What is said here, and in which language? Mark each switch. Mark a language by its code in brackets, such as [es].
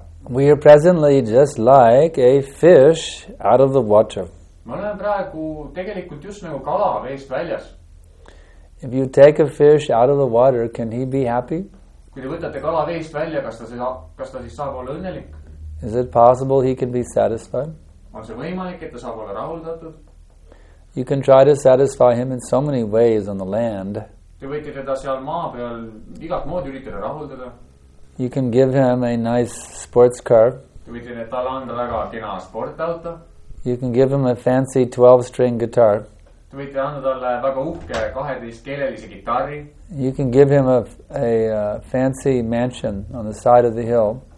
[en] We are presently just like a fish out of the water. If you take a fish out of the water, can he be happy? Is it possible he can be satisfied? [et] On see võimalik, et ta saab olla rahuldatud? [en] You can try to satisfy him in so many ways on the land. [et] Te võite teda seal maa peal igat moodi üritada rahuldada. [en] You can give him a nice sports car. [et] Te võite talle anda väga kena sportauto. [en] You can give him a fancy 12-string guitar. [et] Te võite anda talle väga uhke 12-keelelise gitarri. [en] You can give him a fancy mansion on the side of the hill.